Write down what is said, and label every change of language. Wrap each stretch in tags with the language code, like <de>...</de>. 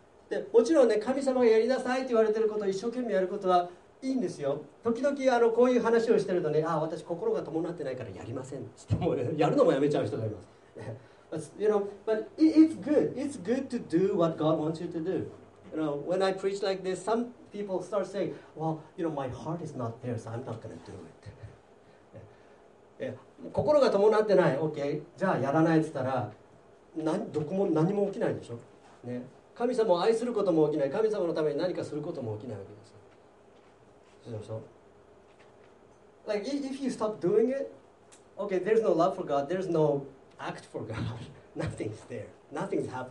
<ja>でもちろんね、神様がやりなさいって言われてることを一生懸命やることはいいんですよ。時々こういう話をしてるとね、ああ私心が伴ってないからやりませんって、もう、ね、やるのもやめちゃう人がいます。</ja> <en>But, you know, but it's good to do what God wants you to do. You know, when I preach like this, some people start saying, well, you know, my heart is not there, so I'm not going to do it.</en> <ja>心が伴ってない、OK、じゃあやらないって言ったら、何も起きないでしょ。ね、神様を愛することも起きない。神様のために何かすることも起きないわけです。そうそう。</ja> <en>Like, if you stop doing it, okay, there's no love for God, there's no act for God. Nothing's there. Nothing's happening.</en>